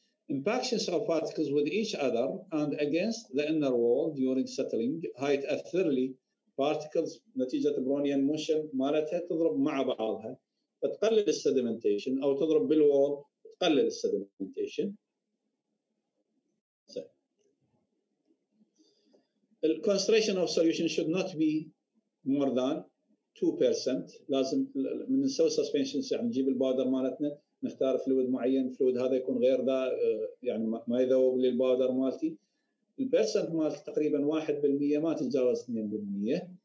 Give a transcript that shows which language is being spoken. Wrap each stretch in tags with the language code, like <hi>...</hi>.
<en>impactions of particles with each other and against the inner wall during settling</en> <ar>هيتأثرلي particles نتيجة برونيان موشن مالتها تضرب مع بعضها تقلل السيدمنتيشن أو تضرب بالوال تقلل السيدمنتيشن.</ar> <en>The concentration of solution should not be more than 2%.</en> <ar>لازم من نسوي suspension يعني نجيب البودر مالتنا نختار فلويد معين فلويد هذا يكون غير ذا يعني ما يذوب للبودر مالتي. البيرسنت مال تقريبا 1% ما تتجاوز 2%.</ar>